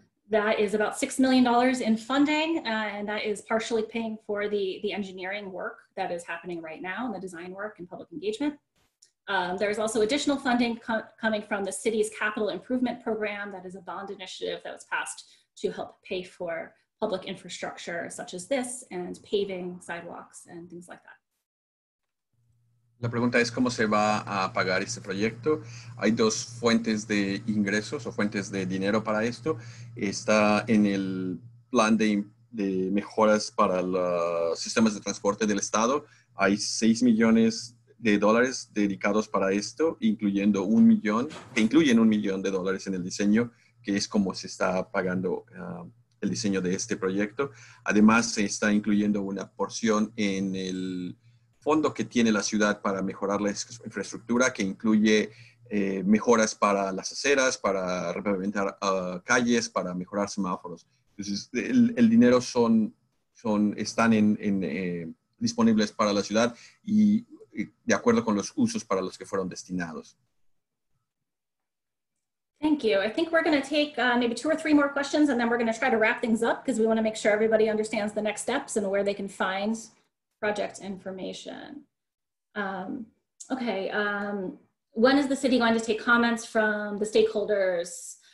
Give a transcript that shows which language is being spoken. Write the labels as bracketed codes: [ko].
[en] That is about $6 million in funding, and that is partially paying for the engineering work that is happening right now, the design work and public engagement. There is also additional funding coming from the city's capital improvement program. That is a bond initiative that was passed to help pay for public infrastructure such as this and paving sidewalks and things like that. [es] La pregunta es cómo se va a pagar este proyecto. Hay dos fuentes de ingresos o fuentes de dinero para esto. Está en el plan de mejoras para los sistemas de transporte del estado. Hay $6 millones dedicados para esto, incluyendo $1 millón en el diseño, que es como se está pagando el diseño de este proyecto. Además, se está incluyendo una porción en el fondo que tiene la ciudad para mejorar la infraestructura, que incluye mejoras para las aceras, para repavimentar calles, para mejorar semáforos. Entonces, el dinero están disponibles para la ciudad y de acuerdo con los usos para los que fueron destinados. [en] Thank you. I think we're going to take maybe two or three more questions and then we're going to try to wrap things up because we want to make sure everybody understands the next steps and where they can find project information. When is the city going to take comments from the stakeholders?